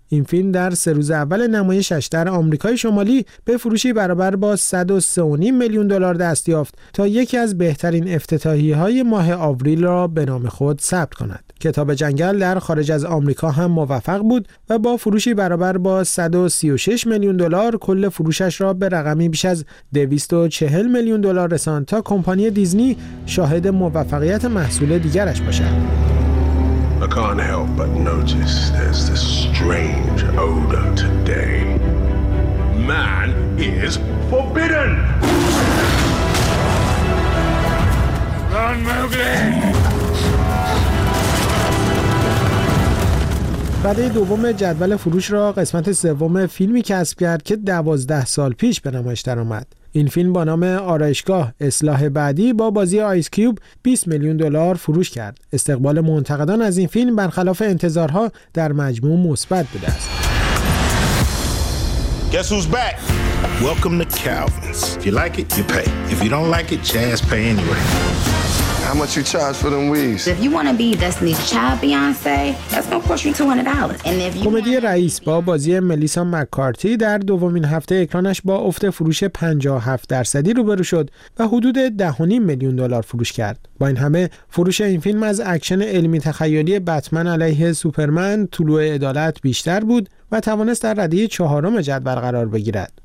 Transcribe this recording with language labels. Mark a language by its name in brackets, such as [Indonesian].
[Persian] این فیلم در 3 روز اول نمایشش در آمریکای شمالی به فروشی برابر با 103.5 میلیون دلار دست یافت تا یکی از بهترین افتتاحیه‌های ماه آوریل را به نام خود ثبت کند. کتاب جنگل در خارج از آمریکا هم موفق بود و با فروشی برابر با 136 میلیون دلار کل فروشش را به رقمی بیش از 240 میلیون دلار رساند تا کمپانی دیزنی شاهد موفقیت محصول دیگرش باشد. [English] I can't help but notice there's this strange odor today. Man is forbidden! Run, Mowgli! [Persian] رده دوم جدول فروش را قسمت سوم فیلمی کسب کرد که 12 سال پیش به نمایش درآمد. این فیلم با نام آرایشگاه اصلاح بعدی با بازی آیس کیوب 20 میلیون دلار فروش کرد. استقبال منتقدان از این فیلم برخلاف انتظارها در مجموع مثبت بوده است. [English] Guess who's back? Welcome to Calvin's. If you like it, you pay. If you don't like it, just pay anyway. How much you charge for them weeds? If you want to be Destiny's Child Beyonce, that's gonna cost you $200. And if you [Persian] کمدی رئیس با بازی ملیسا مک‌کارتی در دومین هفته اکرانش با افت فروش 57% روبرو شد و حدود 10.5 میلیون دلار فروش کرد. با این همه فروش این فیلم از اکشن علمی تخیلی بتمن علیه سوپرمن طلوع عدالت بیشتر بود و توانست در رده چهارم جدول قرار بگیرد.